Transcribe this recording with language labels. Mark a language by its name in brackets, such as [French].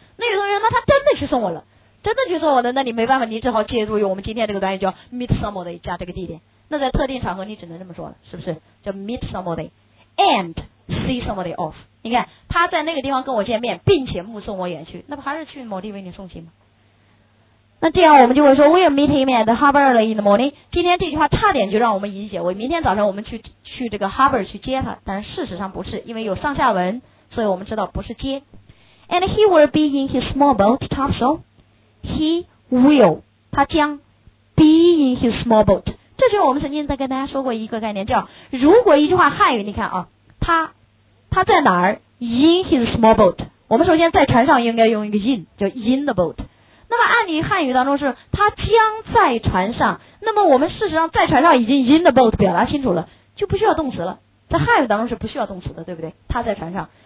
[Chinese] 那有的人，那他真的去送我了，真的去送我了，那你没办法，你只好借助于我们今天这个短语叫 meet somebody 加这个地点。那在特定场合，你只能这么说了，是不是？叫 meet somebody and see somebody off。你看他在那个地方跟我见面，并且目送我远去，那不还是去某地为你送行吗？那这样我们就会说 [English] We'll meet him at the harbor early in the morning。 [Chinese] 今天这句话差点就让我们理解为明天早上我们去这个 harbor 去接他，但事实上不是，因为有上下文，所以我们知道不是接。 [English] And he will be in his small boat topsail。 He will， [Chinese] 他将 [English] be in his small boat。 [Chinese] 这就是我们曾经在跟大家说过一个概念，叫如果一句话汉语，你看啊，他在哪儿？ [English] In his small boat。 [Chinese] 我们首先在船上应该用一个 in， 就 in the boat。那么按理汉语当中是他将在船上，那么我们事实上在船上已经 in the boat 表达清楚了，就不需要动词了，在汉语当中是不需要动词的，对不对？他在船上。